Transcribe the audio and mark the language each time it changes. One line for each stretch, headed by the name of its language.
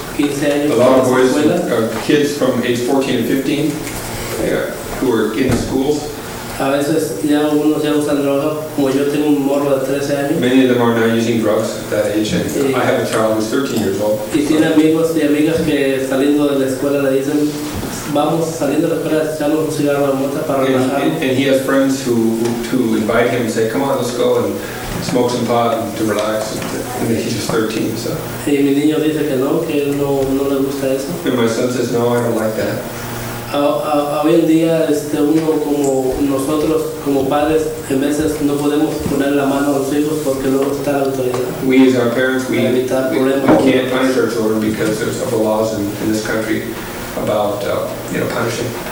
English: A lot of boys, kids from age 14 and 15, who are in schools.
Spanish: A veces ya algunos ya usan drogas, como yo tengo un morro de 13 años.
English: Many of them are now using drugs at that age, and I have a child who's 13 years old.
Spanish: Y tiene amigos y amigas que saliendo de la escuela le dicen, vamos saliendo de la escuela echarnos un cigarro a la mota para relajar.
English: And he has friends who invite him and say, come on, let's go and smoke some pot and to relax, and he's just 13, so.
Spanish: Y mi niño dice que no le gusta eso.
English: And my son says, no, I don't like that.
Spanish: Hoy en día este uno como nosotros como padres en veces no podemos poner la mano a los hijos porque luego está la autoridad.
English: We as our parents we can't punish our children because there's a couple laws in this country about punishing.